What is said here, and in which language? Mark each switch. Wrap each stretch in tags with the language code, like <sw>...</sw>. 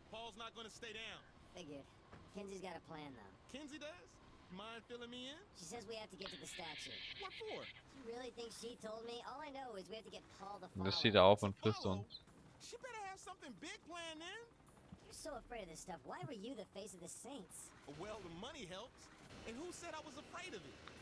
<en>Paul's not gonna stay down. Figured. Kenzie's got a plan though. Kenzie does? Mind filling me in? She says we have to get to the statue. What for? You really think she told me? All I know is we have to get Paul the follow.</en> <de>Das steht auf und frisst uns.</de> <en>She better have something big planned then. You're so afraid of this stuff. Why were you the face of the Saints? Well, the money helps. And who said I was afraid of it?</en>